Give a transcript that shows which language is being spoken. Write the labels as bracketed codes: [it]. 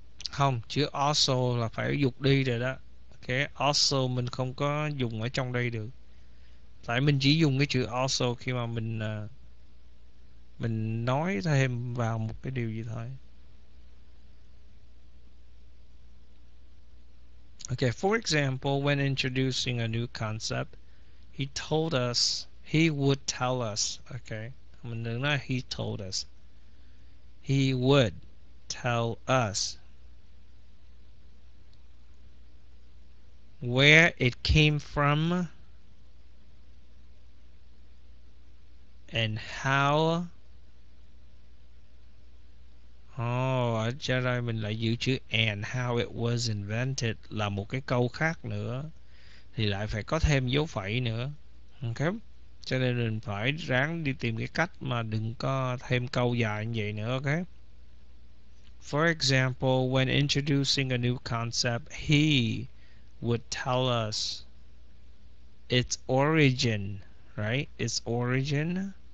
[vi] Không, chứ also là phải dục đi rồi đó. Cái also mình không có dùng ở trong đây được. Tại mình chỉ dùng cái chữ also khi mà mình nói thêm vào một cái điều gì thôi. [en] Okay, for example, when introducing a new concept, he told us, he would tell us, okay. [vi] Mình đừng nói [en] he told us. He would tell us where it came from and how. [vi] Oh, cho đây mình lại giữ chữ [en] and how it was invented [vi] là một cái câu khác nữa thì lại phải có thêm dấu phẩy nữa. Ok, cho nên mình phải ráng đi tìm cái cách mà đừng có thêm câu dài như vậy nữa. [en] Ok, for example, when introducing a new concept, he would tell us its origin, right? Its origin.